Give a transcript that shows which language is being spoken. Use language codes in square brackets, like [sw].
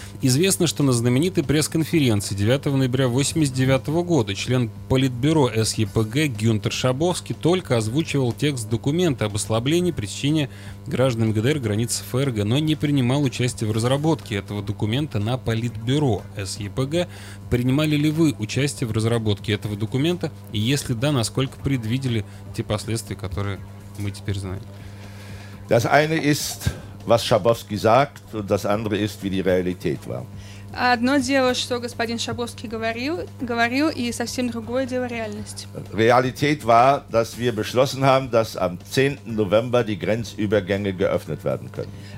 [ru] Известно, что на знаменитой пресс-конференции 9 ноября 1989 года член Политбюро СЕПГ Гюнтер Шабовский только озвучивал текст документа об ослаблении пресечения гражданам ГДР границ ФРГ, но не принимал участие в разработке этого документа на Политбюро СЕПГ. Принимали ли вы участие в разработке этого документа? И если да, насколько предвидели те последствия, которые мы теперь знаем? [de] Das eine ist, was Schabowski sagt, und das andere ist, wie die Realität war. [ru] Одно дело, что господин Шабловский говорил, и совсем другое дело реальность. [de] Realität war, dass wir beschlossen haben, dass am 10. November die Grenzübergänge geöffnet werden können.